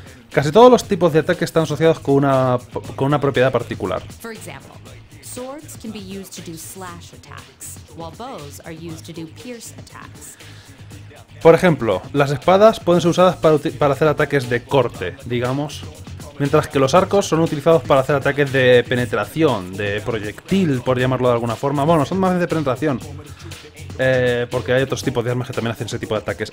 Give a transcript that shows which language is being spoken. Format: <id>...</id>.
<es>Casi todos los tipos de ataques están asociados con una propiedad particular.</es> <en>Swords can be used to do slash attacks, while bows are used to do pierce attacks.</en> <es>Por ejemplo, las espadas pueden ser usadas para hacer ataques de corte, digamos, mientras que los arcos son utilizados para hacer ataques de penetración, de proyectil, por llamarlo de alguna forma. Bueno, son más de penetración, porque hay otros tipos de armas que también hacen ese tipo de ataques.</es>